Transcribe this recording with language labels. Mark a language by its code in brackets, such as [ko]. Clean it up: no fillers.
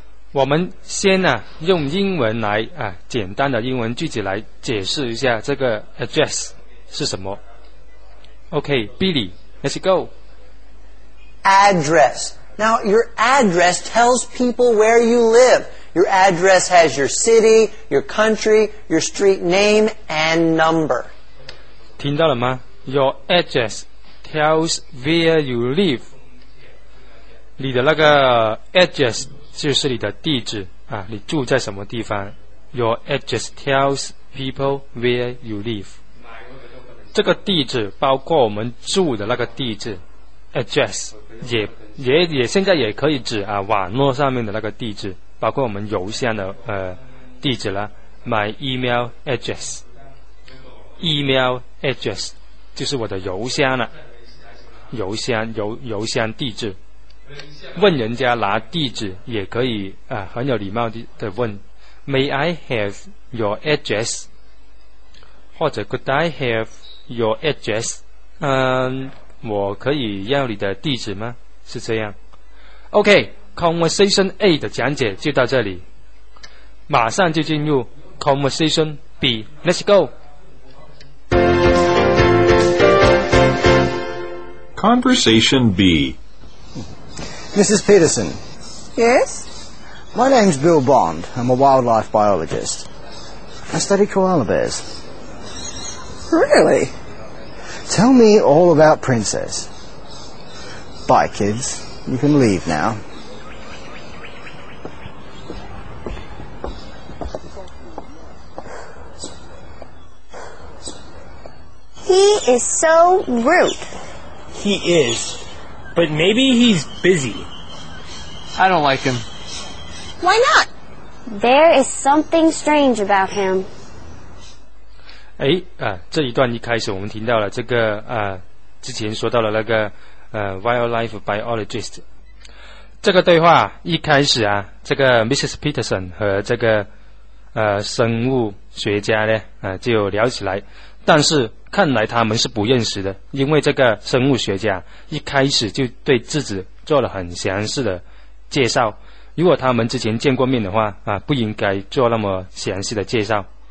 [zh] 我们先啊用英文来啊简单的英文句子来解释一下这个 address 是什么。 [en] OK Billy let's go. Address. Now your address tells people where you live. Your address has your city, your country, your street name and number. [zh] 听到了吗？ [en] Your address tells where you live. [zh] 你的那个 address就是你的地址啊，你住在什么地方。 [en] Your address tells people where you live， [zh] 这个地址包括我们住的那个地址 address， 也现在也可以指啊网络上面的那个地址，包括我们邮箱的地址啦。 [en] My email address， [zh] email address 就是我的邮箱了，邮箱地址。问人家拿地址也可以啊，很有礼貌的问 [en] May I have your address， [zh] 或者 [en] Could I have your address， [zh] 我可以要你的地址吗？是这样。 OK Conversation A 的讲解就到这里，马上就进入 Conversation B， [en] Let's go。 Conversation B Mrs. Peterson. Yes? My name's Bill Bond. I'm a wildlife biologist. I study koala bears. Really? Tell me all about Princess. Bye, kids. You can leave now. is so rude. He is, but maybe he's busy. I don't like him. Why not? There is something strange about him. [zh] 哎，这一段一开始我们听到了这个之前说到了那个wildlife biologist。这个对话一开始啊，这个 Mrs. Peterson 和这个生物学家呢就聊起来，但是看来他们是不认识的，因为这个生物学家一开始就对自己做了很详细的介绍，如果他们之前见过面的话不应该做那么详细的介绍。